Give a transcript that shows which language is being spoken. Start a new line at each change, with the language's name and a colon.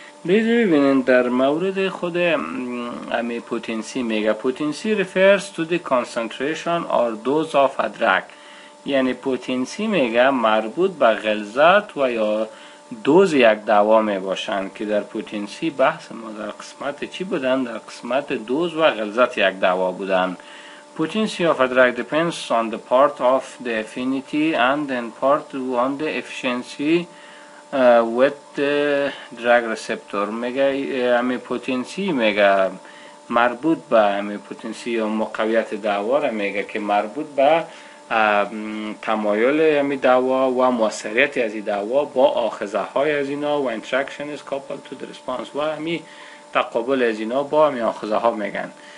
Persian: دیگه ببینید در مورد خود امی پوتنسی میگه پوتنسی
English: refers to the concentration or dose of a drug،
Persian: یعنی پوتنسی میگه مربوط به غلظت و یا دوز یک دوا میباشند. که در پوتنسی بحث ما در قسمت چی بودن؟ در قسمت دوز و غلظت یک دوا بودن.
English: Potency of a drug depends on the part of the affinity and then part on the efficiency with drug receptor.
Persian: میگه امی پوتنسی میگه مربوط به امی پوتنسی یا مقاویت دوا را میگه که مربوط به تمایل امی دوا و موثریت از این دوا با آخذه های از اینا و
English: interaction is coupled to the response
Persian: و امی تقابل از اینا با امی آخذه ها میگن.